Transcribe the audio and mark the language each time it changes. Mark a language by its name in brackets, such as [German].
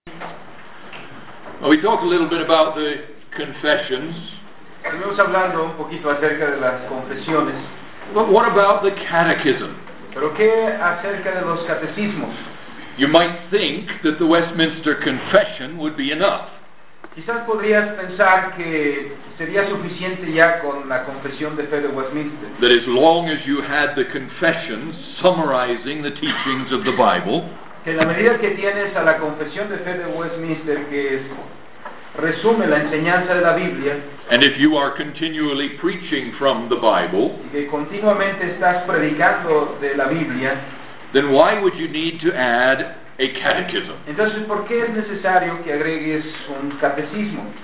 [English] And we talk a little bit about the confessions. [Spanish] Estuvimos hablando un poquito acerca de las confesiones. [English] But what about the catechism? [Spanish] ¿Pero qué acerca de los catecismos? [English] You might think that the Westminster Confession would be enough. [Spanish] Quizás podrías pensar que sería suficiente ya con la confesión de fe de Westminster. [English] That as long as you had the confession summarizing the teachings of the Bible. [Spanish] Que la medida que tienes a la confesión de fe de Westminster que es resume la enseñanza de la Biblia. [English] And if you are continually preaching from the Bible. [Spanish] Y que continuamente estás predicando de la Biblia. [English] Then why would you need to add a catechism? [Spanish] Entonces, ¿por qué es necesario que agregues un catecismo?